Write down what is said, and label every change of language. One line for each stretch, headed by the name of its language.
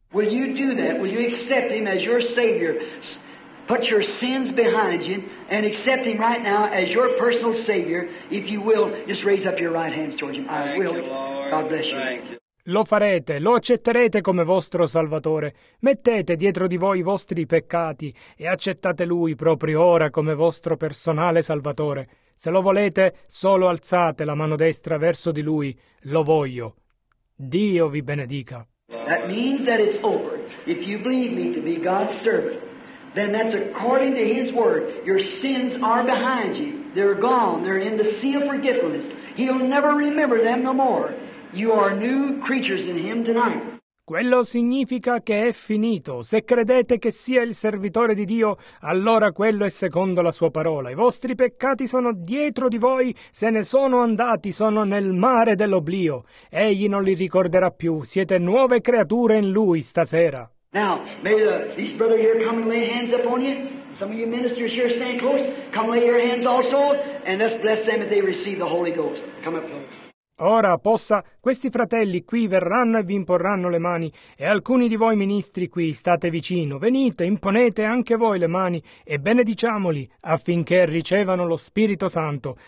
English: Will you do that? Will you accept him as your Savior? Put your sins behind you and accept him right now as your personal Savior. If you will, just raise up your right hands towards him. Thank I will. You, Lord. God bless you. Thank you.
Italian: Lo farete, lo accetterete come vostro Salvatore. Mettete dietro di voi i vostri peccati e accettate Lui proprio ora come vostro personale Salvatore. Se lo volete, solo alzate la mano destra verso di Lui. Lo voglio. Dio vi benedica.
English: That means that it's over. If you believe me to be God's servant, then that's according to His word. Your sins are behind you. They're gone. They're in the sea of forgetfulness. He'll never remember them no more. You are new creatures in him tonight.
Italian: Quello significa che è finito. Se credete che sia il servitore di Dio, allora quello è secondo la sua parola. I vostri peccati sono dietro di voi, se ne sono andati, sono nel mare dell'oblio. Egli non li ricorderà più. Siete nuove creature in lui stasera.
English: Now, may these brothers here come and lay hands upon you. Some of you ministers here stand close. Come lay your hands also, and let's bless them if they receive the Holy Ghost. Come up close.
Italian: Ora possa, questi fratelli qui verranno e vi imporranno le mani, e alcuni di voi ministri qui state vicino, venite, imponete anche voi le mani e benediciamoli affinché ricevano lo Spirito Santo.